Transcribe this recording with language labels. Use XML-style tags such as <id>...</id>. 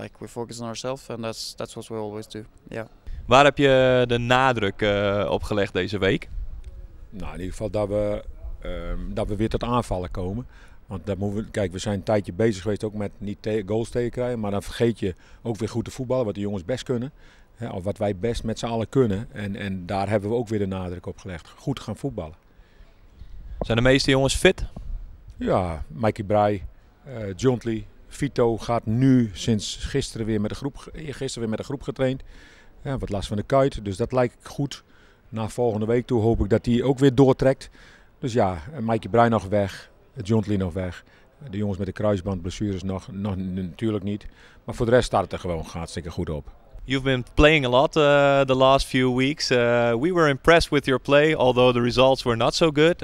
<en>Like we focus on ourselves, and that's what we always do. Yeah.</en> <nl>Waar heb je de nadruk op gelegd deze week? Nou, in ieder geval dat we weer tot aanvallen komen. Want dat moeten we zijn een tijdje bezig geweest ook met niet goals tegen krijgen. Maar dan vergeet je ook weer goed te voetballen, wat de jongens best kunnen. Hè, of wat wij best met z'n allen kunnen. En daar hebben we ook weer de nadruk op gelegd. Goed gaan voetballen. Zijn de meeste jongens fit? Ja, Mikey Braai, Jontley, Vito gaat nu sinds gisteren weer met de groep getraind. Ja, wat last van de kuit, dus dat lijkt goed. Na volgende week toe hoop ik dat hij ook weer doortrekt. Dus ja, Mikey Braai nog weg. Jontley nog weg. De jongens met de kruisbandblessures nog natuurlijk niet. Maar voor de rest staat het er gewoon hartstikke goed op.</nl> <en>You've been playing a lot the last few weeks. We were impressed with your play, although the results were not so good.</en>